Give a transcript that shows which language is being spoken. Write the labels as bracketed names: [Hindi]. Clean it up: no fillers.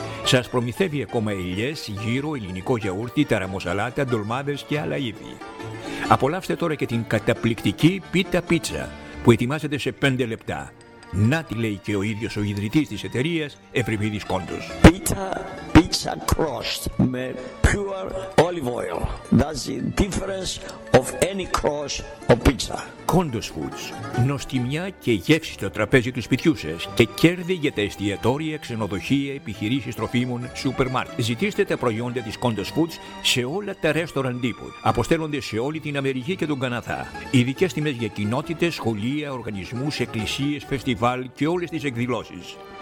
[Greek] Σας προμηθεύει ακόμα ελιές, γύρο, ελληνικό γιαούρτι, ταραμοσαλάτα, ντολμάδες και άλλα ύφη. Απολαύστε τώρα και την καταπληκτική πίτα πίτσα που ετοιμάζεται σε 5 λεπτά. Να τη λέει και ο ίδιος ο ιδρυτής της εταιρείας, Ευρυμίδης Κόντος. [English] Πίτα, πίτα. pizza crust with pure olive oil. That's the difference of any crust or pizza. Kondos Foods. [Greek] Νοστιμιά και γεύση στο τραπέζι του σπιτιού σας και κέρδη για τα εστιατόρια, ξενοδοχεία, επιχειρήσεις τροφίμων, σούπερ μάρκετ. Ζητήστε τα προϊόντα της Kondos Foods σε όλα τα restaurant τύπου. Αποστέλλονται σε όλη την Αμερική και τον Καναδά. Ειδικές τιμές για κοινότητες, σχολεία, οργανισμούς, εκκλησίες, φεστιβάλ και όλες τις εκδηλώσεις.